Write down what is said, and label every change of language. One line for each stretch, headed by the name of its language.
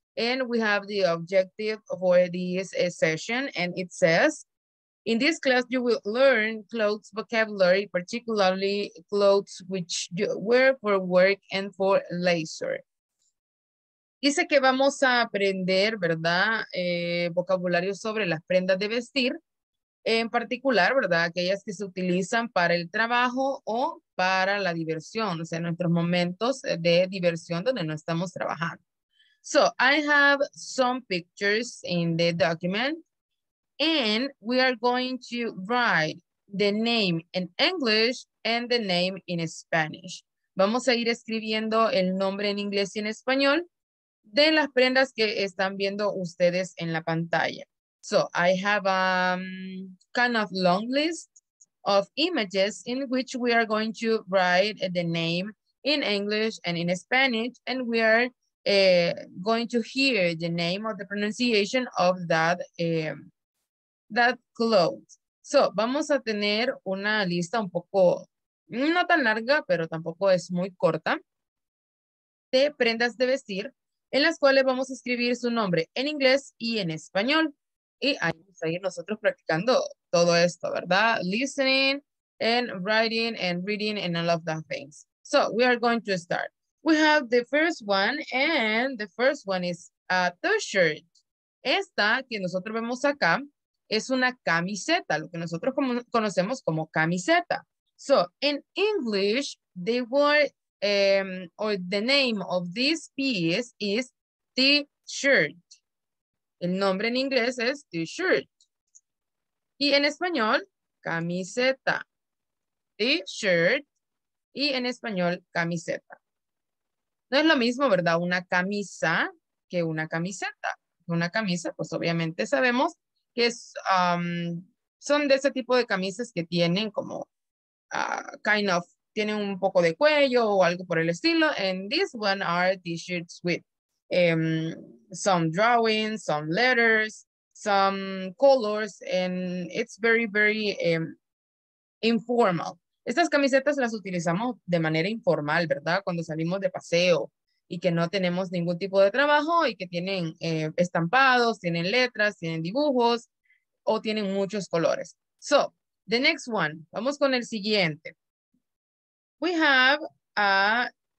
English: And we have the objective for this session, and it says, in this class, you will learn clothes vocabulary, particularly clothes which you wear for work and for leisure.
Spanish: Dice que vamos a aprender, ¿verdad? Vocabulario sobre las prendas de vestir, en particular, ¿verdad? Aquellas que se utilizan para el trabajo o para la diversión, o sea, nuestros momentos de diversión donde no estamos trabajando.
English: So, I have some pictures in the document. And we are going to write the name in English and the name in Spanish.
Spanish: Vamos a ir escribiendo el nombre en inglés y en español de las prendas que están viendo ustedes en la pantalla.
English: So, I have a kind of long list of images in which we are going to write the name in English and in Spanish, and we are going to hear the name or the pronunciation of that that clothes.
Spanish: So, vamos a tener una lista un poco, no tan larga, pero tampoco es muy corta, de prendas de vestir, en las cuales vamos a escribir su nombre en inglés y en español. Y ahí vamos a ir nosotros practicando todo esto, ¿verdad?
English: Listening and writing and reading and all of that things. So, we are going to start. We have the first one, and the first one is a t-shirt.
Spanish: Esta que nosotros vemos acá es una camiseta, lo que nosotros conocemos como camiseta.
English: So, in English, the word or the name of this piece is t-shirt.
Spanish: El nombre en inglés es t-shirt. Y en español, camiseta. T-shirt. Y en español, camiseta. No es lo mismo, ¿verdad? Una camisa que una camiseta. Una camisa, pues obviamente sabemos que es, son de ese tipo de camisas que tienen como,
English: kind of,
Spanish: tienen un poco de cuello o algo por el estilo.
English: And this one are t-shirts with some drawings, some letters, some colors, and it's very, very informal.
Spanish: Estas camisetas las utilizamos de manera informal, ¿verdad? Cuando salimos de paseo y que no tenemos ningún tipo de trabajo y que tienen estampados, tienen letras, tienen dibujos o tienen muchos colores.
English: So, the next one.
Spanish: Vamos con el siguiente.
English: We have a...